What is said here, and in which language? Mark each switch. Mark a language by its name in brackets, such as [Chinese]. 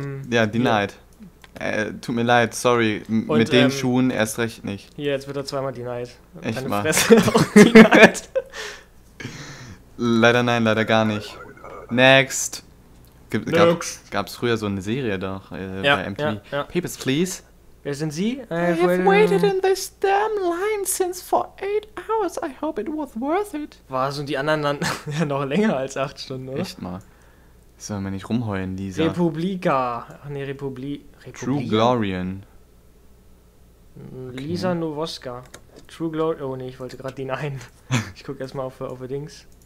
[German] ja, denied. Ja. Tut mir leid, sorry. Und mit den Schuhen erst recht nicht. Hier, jetzt wird er zweimal denied. Echt mal. Deine Fresse auch denied. Leider nein, leider gar nicht. Next. Gab's früher so eine Serie doch ja, bei MTV. Ja, ja. [English] Papers, please. [German] Wer sind Sie? [English] I've waited in this damn line since for 8 hours. I hope it was worth it. [German] War so die anderen dann ja noch länger als 8 Stunden, oder? Echt mal. Sollen wir nicht rumheulen, Lisa? Republika. Ach nee, Republika. True Glorian. Lisa, okay. Nowoska. True Glorian. Oh nee, ich wollte gerade die Nein. Ich guck erstmal auf die Dings.